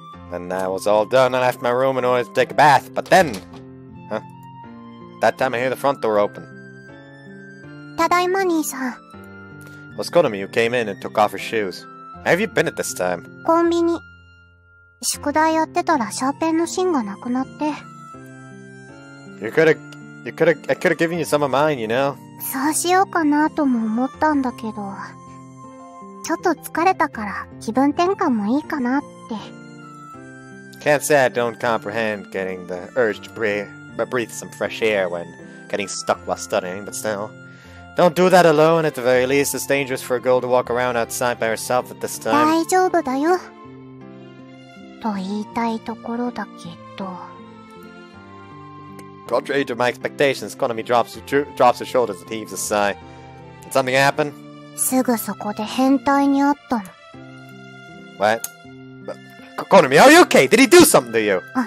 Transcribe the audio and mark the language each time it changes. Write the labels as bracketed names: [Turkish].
[English] And I was all done, I left my room in order to take a bath, but then... Huh? That time I hear the front door open. [Japanese] Tadaima, 兄さん. [English] It was Konami who came in and took off her shoes. Where have you been at this time? [Japanese] コンビニ。宿題やってたらシャーペンの芯がなくなって。 [English] I could have given you some of mine, you know? [Japanese] そうしようかなとも思ったんだけど。ちょっと疲れたから気分転換もいいかなって。 [English] Can't say I don't comprehend getting the urge to breathe some fresh air when getting stuck while studying, but still. Don't do that alone at the very least. It's dangerous for a girl to walk around outside by herself at this time. [Japanese] 大丈夫だよ。と言いたいところだけど。 [English] Contrary to my expectations, Konami drops her shoulders and heaves a sigh. Did something happen? [Japanese] すぐそこで変態に会ったの。 [English] What? Konami, are you okay? Did he do something to you?